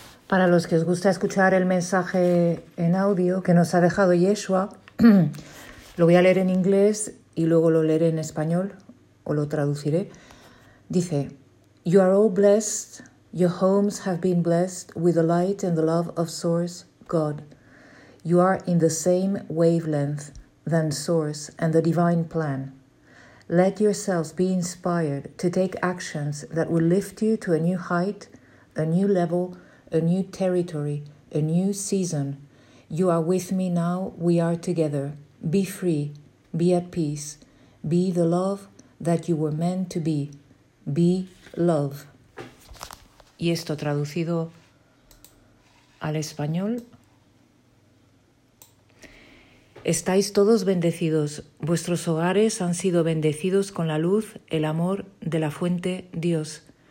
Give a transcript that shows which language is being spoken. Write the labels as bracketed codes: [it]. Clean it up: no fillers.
[es] Para los que os gusta escuchar el mensaje en audio que nos ha dejado Yeshua, lo voy a leer en inglés y luego lo leeré en español o lo traduciré. [en] Dice: "You are all blessed, your homes have been blessed with the light and the love of Source, God. You are in the same wavelength than Source and the divine plan. Let yourselves be inspired to take actions that will lift you to a new height, a new level, a new territory, a new season. You are with me now, we are together. Be free, be at peace, be the love that you were meant to be. Be love." [es] Y esto traducido al español: "Estáis todos bendecidos, vuestros hogares han sido bendecidos con la luz, el amor de la fuente Dios.